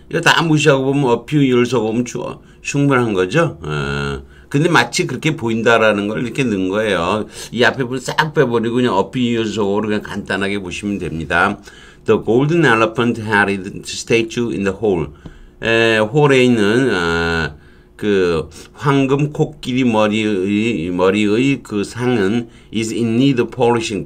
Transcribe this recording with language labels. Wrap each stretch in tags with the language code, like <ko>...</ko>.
<ko>이거 다 무시하고 보면</ko> <en>a few years ago</en> <ko>보면 충분한 거죠. 근데 마치 그렇게 보인다라는 걸 이렇게 넣은 거예요. 이 앞에 부분 싹 빼버리고 그냥</ko> <en>a few years ago</en> <ko>그냥 간단하게 보시면 됩니다.</ko> <en>The golden elephant had its statue in the hall.</en> <ko>홀에 있는 그 황금 코끼리 머리의 그 상은</ko> <en>is in need of polishing.</en>